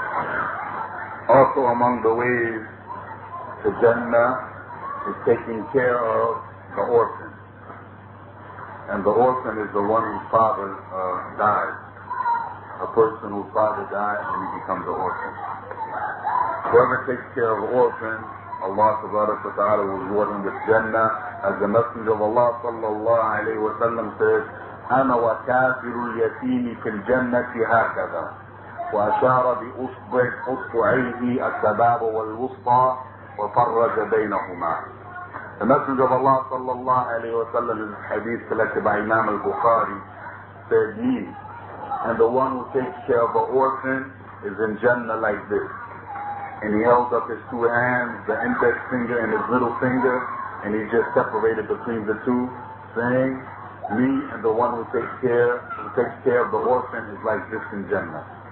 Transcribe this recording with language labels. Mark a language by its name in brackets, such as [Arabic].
[English] Amen. Also among the ways to Jannah is taking care of the orphan. And the orphan is the one whose father dies. A person whose father dies and he becomes an orphan. Whoever takes care of an orphan, Allah subhanahu wa ta'ala will reward him with Jannah. As the Messenger of Allah sallallahu alayhi wa sallam says, [Arabic] أَنَا وَكَافِرُ الْيَتِيمِ فِي الْجَنَّةِ هَكَذَا وَأَشَارَ بِأُصْبُعَيْهِ السَّبَابَ وَالْوُسْطَى وَفَرَّجَ بَيْنَهُمَا. [English] The Messenger of Allah sallallahu alayhi wa sallam in hadith collected by Imam al-Bukhari said, me and the one who takes care of the orphan is in Jannah like this. And he held up his two hands, the index finger and his little finger, and he just separated between the two, saying, me and the one who takes care of the orphan is like this in Jannah.